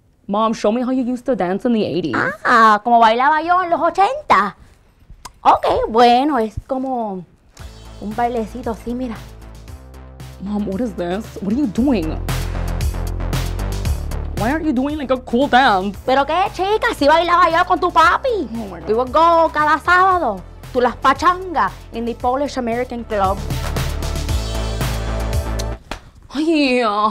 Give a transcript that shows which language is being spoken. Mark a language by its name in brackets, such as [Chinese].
[English] Mom, show me how you used to dance in the 80s. [Spanish] Ah, como bailaba yo en los 80. Ok, bueno, es como un bailecito así, mira. [English] Mom, what is this? What are you doing? Why aren't you doing like a cool dance? [Spanish] Pero qué, chica, si bailaba yo con tu papi. [English] Oh, we would go [Spanish] cada sábado [English] to [Spanish] las pachangas [English] in the Polish American club. Oh, yeah.